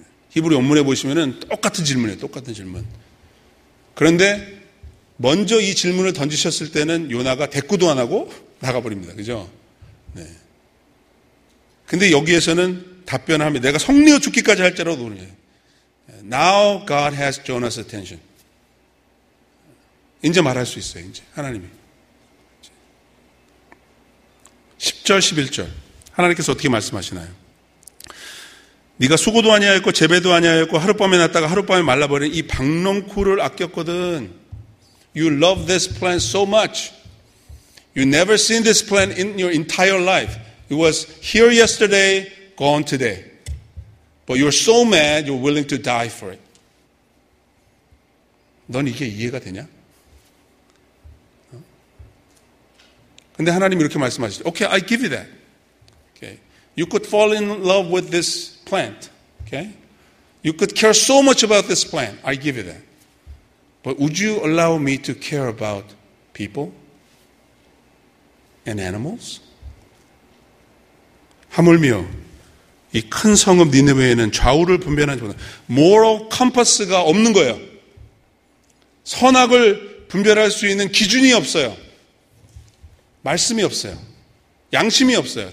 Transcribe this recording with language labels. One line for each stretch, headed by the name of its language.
Korean: 히브리 원문에 보시면은 똑같은 질문이에요. 똑같은 질문. 그런데 먼저 이 질문을 던지셨을 때는 요나가 대꾸도 안 하고 나가버립니다. 그죠? 네. 근데 여기에서는 답변을 합니다. 내가 성내어 죽기까지 할 자라고 그러네.
English: Now God has Jonah's attention.
Korean: 이제 말할 수 있어요. 이제 하나님이. 10절, 11절. 하나님께서 어떻게 말씀하시나요? 네가 수고도 아니하였고 재배도 아니하였고 하룻밤에 났다가 하룻밤에 말라버린 이 박넝쿨을 아꼈거든.
English: You love this plan so much. You never seen this plan in your entire life. It was here yesterday, gone today. But you're so mad, you're willing to die for it.
Korean: 넌 이게 이해가 되냐? 근데 하나님 이렇게 말씀하시죠.
English: Okay, I give you that. Okay. You could fall in love with this plant. Okay. You could care so much about this plant. I give you that. But would you allow me to care about people and animals?
Korean: 하물며 이 큰 성읍 니느웨에는 좌우를 분별하지 못한
English: moral compass
Korean: 가 없는 거예요. 선악을 분별할 수 있는 기준이 없어요. 말씀이 없어요. 양심이 없어요.